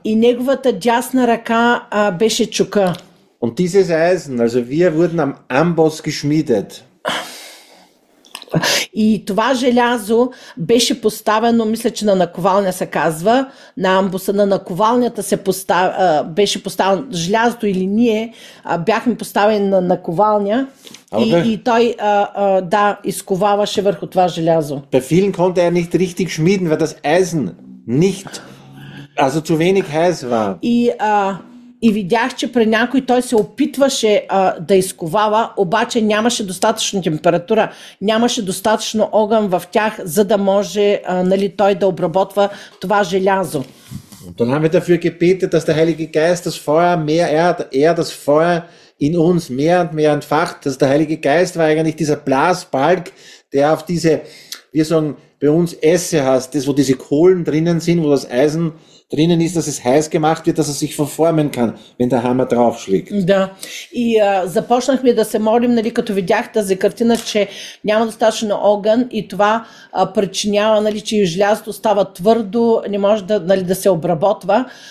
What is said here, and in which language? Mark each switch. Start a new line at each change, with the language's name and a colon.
Bulgarian: И неговата дясна ръка беше чука.
German: Und dieses Eisen, also wir wurden am Amboss geschmiedet.
Bulgarian: И това желязо беше поставено, мисля, че на наковалня се казва, на амбуса, на наковалнята се беше поставено желязото, или ние бяхме поставени на наковалня, и той изковаваше върху това желязо.
German: Bei vielen konnte er nicht richtig schmieden, weil das Eisen nicht, also zu wenig heiß war.
Bulgarian: И видях, че при някой той се опитваше да изковава, обаче нямаше достатъчно температура, нямаше достатъчно огън в тях, за да може той да обработва това желязо.
German: Dann haben wir dafür gebetet, dass der Heilige Geist das Feuer mehr das Feuer in uns mehr und mehr entfacht. Dass der Heilige Geist war eigentlich dieser Blasbalg, der auf diese, wir sagen, bei uns Esse heißt, das, wo diese Kohlen drinnen sind, wo das Eisen drinnen ist, dass es heiß gemacht wird, dass es sich verformen kann, wenn der Hammer draufschlägt.
Bulgarian: Да. И започнахме да се молим, като видях тази картина, че няма достатъчно огън, и това причинява, че желязото става твърдо, не може да се обработва.